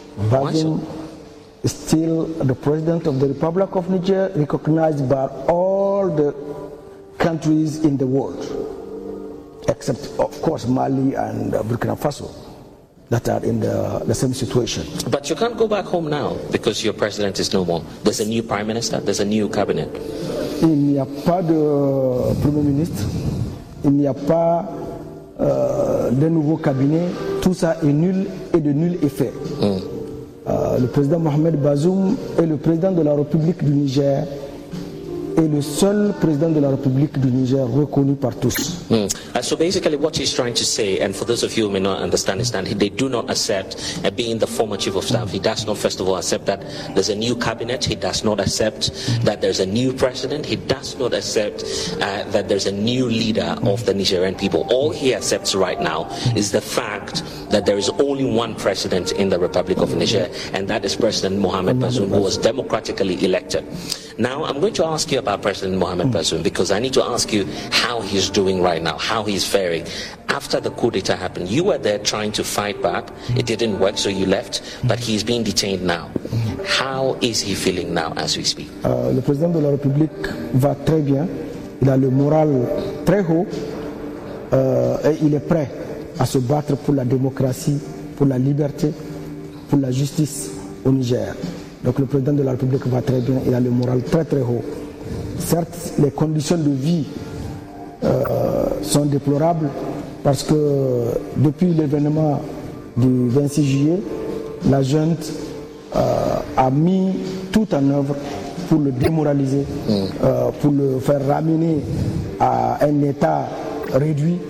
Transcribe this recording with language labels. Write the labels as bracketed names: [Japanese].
[English] Bazoum is still the president of the Republic of Niger, recognized by all the countries in the world, except, of course, Mali and Burkina Faso, that are in the same situation. But you can't go back home now because your president is no more. There's a new prime minister, there's a new cabinet. [French] Il n'y a pas de premier ministre, il n'y a pas de nouveau cabinet, tout ça est nul et de nul effet. Le président Mohamed Bazoum est le président de la République du Niger et le seul président de la République du Niger reconnu par tous. [English] So basically what he's trying to say, and for those of you who may not understand, is that they do not accept being the former chief of staff. He does not, first of all, accept that there's a new cabinet. He does not accept that there's a new president. He does not accept that there's a new leader of the Nigerian people. All he accepts right now is the fact that there is only one president in the Republic of Niger, and that is President Mohamed Bazoum, who was democratically elected. Now, I'm going to ask you about President Mohamed Bazoum, because I need to ask you how he's doing right now, how he's faring. After the coup d'etat happened, you were there trying to fight back. It didn't work, so you left. But he's being detained now. How is he feeling now as we speak? [French] Le président de la République va très bien. Il a le moral très haut. Et il est prêt à se battre pour la démocratie, pour la liberté, pour la justice au Niger. Donc le président de la République va très bien. Il a le moral très très haut. Certes, les conditions de vie sont déplorables parce que depuis l'événement du 26 juillet, la junte a mis tout en œuvre pour le démoraliser, pour le faire ramener à un état réduit.